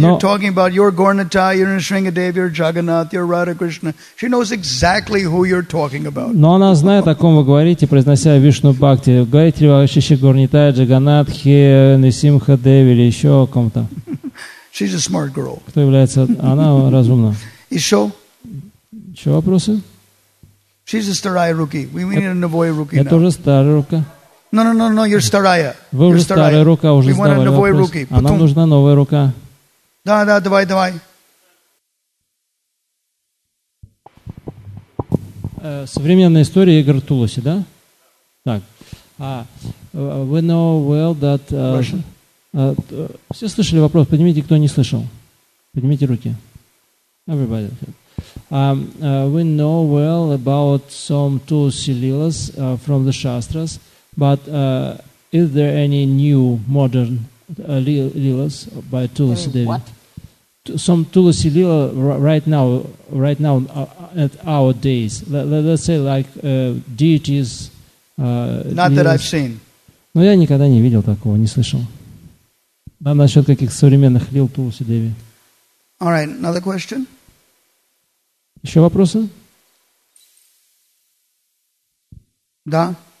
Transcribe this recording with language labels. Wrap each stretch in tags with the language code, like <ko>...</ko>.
<en>You're talking about your Gornata, your Srinagadev, your Jagannath, your Radha Krishna. She knows exactly who you're talking about.</en> <ru>Но она знает, о ком вы говорите, произнося Вишну Бхакти. Говорите ли вы вообще Горнита, Джаганатхи, Нисимха Деви или еще о ком-то?</ru> <en>She's a smart girl.</en> <ru>Кто является? Она разумна. Еще? Еще вопросы?</ru> <en>She's a</en> <ru>staraya</ru> <en>rookie. We need a</en> <ru>novoya</ru> <en>rookie.</en> <ru>Это уже старая рука.</ru> <en>No, you're</en> <ru>staraya. Вы уже старая рука, уже сдавали вопрос. А нам нужна новая рука. Да, давай. Современная история Игорь Тулуси, да? Так.</ru> <en>We know well that...</en> <ru>все слышали вопрос? Поднимите, кто не слышал. Поднимите руки.</ru> <en>Everybody. We know well about some Tulsi Lilas from the Shastras, but is there any new modern Lilas by Tulsi Devi? Some Tulsi Lila right now at our days. Let's say like deities. Not lilas. That I've seen.</en> <ru>Ну я никогда не видел такого, не слышал. А насчет каких современных лил Тулсе Деви?</ru> <en>All right, another question.</en> <ru>Еще вопросы? Да.</ru>